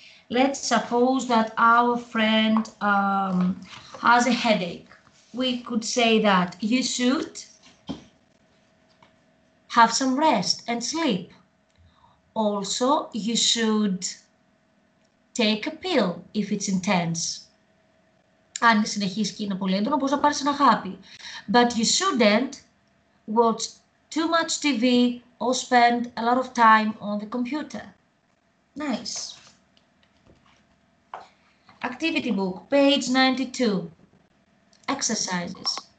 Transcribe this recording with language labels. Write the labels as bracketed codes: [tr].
[en] Let's suppose that our friend has a headache. We could say that you should have some rest and sleep. Also, you should take a pill if it's intense. [el] Αν συνεχίσει και είναι πολύ έντονο, μπορείς να πάρεις ένα χάπι. [en] But you shouldn't watch too much TV or spend a lot of time on the computer. Nice. Activity book, page 92. Exercises.